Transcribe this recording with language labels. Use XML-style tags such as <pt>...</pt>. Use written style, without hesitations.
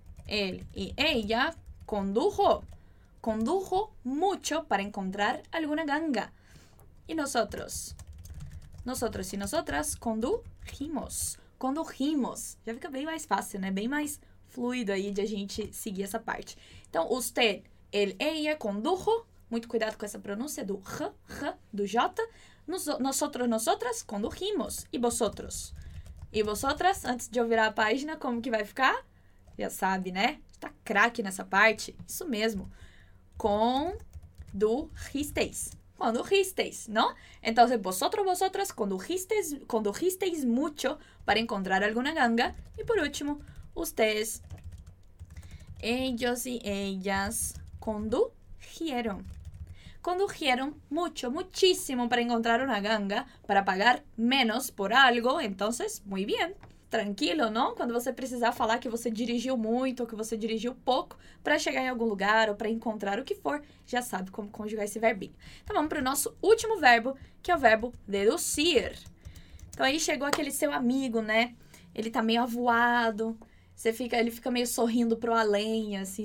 <es>él y ella condujo mucho para encontrar alguna ganga. Y nosotros y nosotras condujimos.</es> <pt>Já fica bem mais fácil, né? Bem mais fluido aí de a gente seguir essa parte. Então,</pt> <es>usted, él, ella, condujo.</es> <pt>Muito cuidado com essa pronúncia do r, do j.</pt> <es>Nosotros, nosotras, condujimos.</es> <pt>E vosotros? E vosotras, antes de eu virar a página, como que vai ficar? Já sabe, né? Tá craque nessa parte. Isso mesmo. Condujisteis.</pt> <es>Condujisteis, ¿no? Entonces, vosotras condujisteis mucho para encontrar alguna ganga. Y por último, ustedes, ellos y ellas condujeron. Condujeron mucho, muchísimo para encontrar una ganga, para pagar menos por algo. Entonces, muy bien. Tranquilo, ¿no?</es> <pt>Cuando você precisar falar que você dirigiu muito ou que você dirigiu pouco para chegar em algum lugar ou para encontrar o que for, já sabe como conjugar esse verbinho. Então vamos para o nosso último verbo, que é o verbo deducir. Então aí chegou aquele seu amigo, né? Ele tá meio avoado, ele fica meio sorrindo pro além, assim.</pt>